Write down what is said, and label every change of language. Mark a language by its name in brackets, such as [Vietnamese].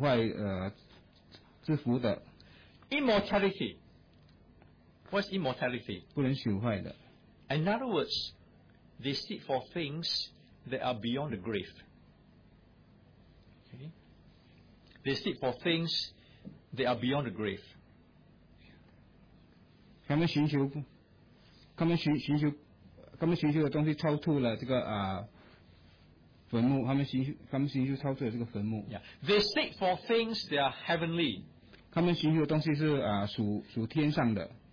[Chinese] 他们寻求这个荣耀、尊贵和不能朽坏之福的。 [English] Immortality. What's immortality? [Chinese] 不能朽坏的。 [English] In other words, they seek for things that are beyond the grave. Okay? They seek for things that are beyond the grave. [Chinese] 他们寻求的东西超出了这个坟墓。 [English] Yeah. They seek for things that are heavenly. [Chinese] 他们寻求的东西是属天上的。